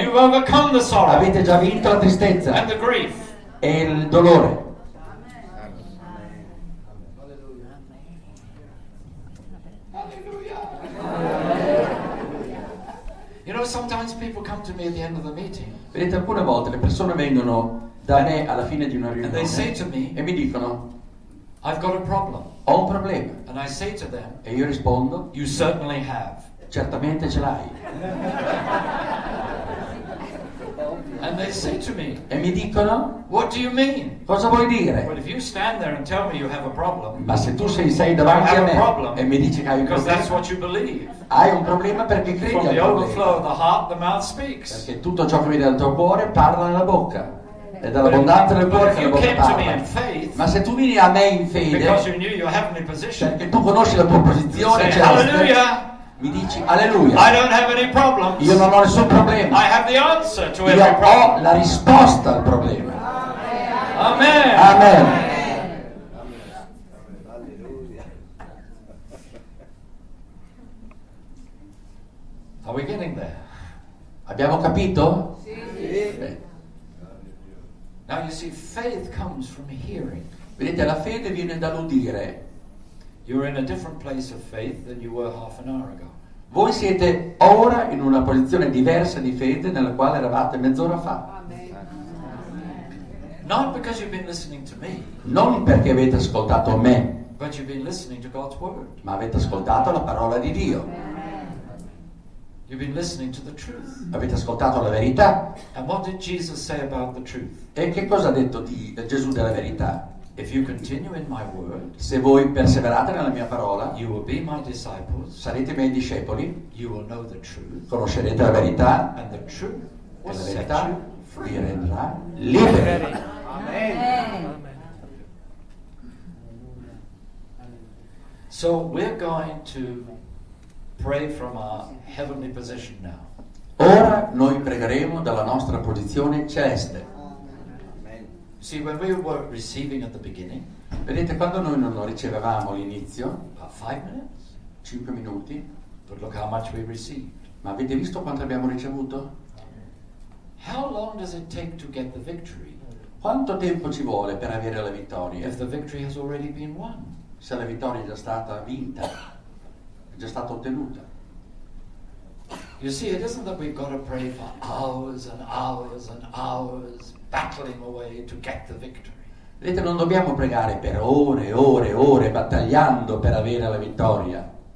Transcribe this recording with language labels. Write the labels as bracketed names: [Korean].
[English] you have overcome the sorrow. [Italian] Avete già vinto la tristezza [English] and the grief. [Italian] E il dolore. Alleluia. [English] know, sometimes people come to me at the end of the meeting. [Italian] Vedete, alcune volte le persone vengono da me alla fine di una riunione. [English] And they say to me, [Italian] e mi dicono, [English] I've got a problem. [Italian] Ho un problema. [English] And I say to them, [Italian] e io rispondo, [English] you certainly have. [Italian] Certamente ce l'hai. [English] And they say to me, [Italian] e mi dicono, [English] what do you mean? [Italian] Cosa vuoi dire? [English] Well, if you stand there and tell me you have a problem, [Italian] ma se tu sei davanti a me [English] problem, [Italian] e mi dici che hai un problema, [English] because that's what you believe. [Italian] Hai un problema perché credi al problema. [English] From the overflow of the heart, the mouth speaks. [Italian] Perché tutto ciò che viene dal tuo cuore parla nella bocca. E dall'abbondanza del cuore che la bocca parla. Ma se tu vieni a me in fede, perché tu conosci la tua posizione, [English] say, Alleluia! [Italian] Mi dici alleluia. [English] I don't have any problems. [Italian] Io non ho nessun problema. [English] I have the answer to every problem. [Italian] Io ho la risposta al problema. Amen. Amen. [English] Alleluia. Are we getting there? [Italian] Abbiamo capito? Sì. [English] Now you see, faith comes from hearing. [Italian] Vedete, la fede viene dall'udire. [English] You're in a different place of faith than you were half an hour ago. [Italian] Voi siete ora in una posizione diversa di fede nella quale eravate mezz'ora fa. [English] Not because you've been listening to me, [Italian] non perché avete ascoltato me, [English] but you've been listening to God's word. [Italian] Ma avete ascoltato la parola di Dio. [English] You've been listening to the truth. [Italian] Avete ascoltato la verità. [English] And what did Jesus say about the truth? [Italian] E che cosa ha detto di Gesù della verità? [English] If you continue in my word, [Italian] se voi perseverate nella mia parola, [English] you will be my disciples, [Italian] sarete miei discepoli, [English] you will know the truth, [Italian] conoscerete la verità, [English] and the truth, [Italian] e la verità vi renderà liberi. Amen. [English] So we're going to pray from our heavenly position now. [Italian] Ora noi pregheremo dalla nostra posizione celeste. [English] See, when we were receiving at the beginning, [Italian] vedete, quando noi non lo ricevevamo all'inizio, [English] about 5 minutes, [Italian] 5 minuti, [English] but look how much we received. [Italian] Ma avete visto quanto abbiamo ricevuto? [English] How long does it take to get the victory? [Italian] Quanto tempo ci vuole per avere la vittoria? [English] If the victory has already been won. [Italian] Se la vittoria è già stata vinta, è già stata ottenuta. [English] You see, it isn't that we've got to pray for hours and hours and hours battling away to get the victory. [Italian] Vedete, non dobbiamo pregare per ore e ore e ore battagliando per avere la vittoria.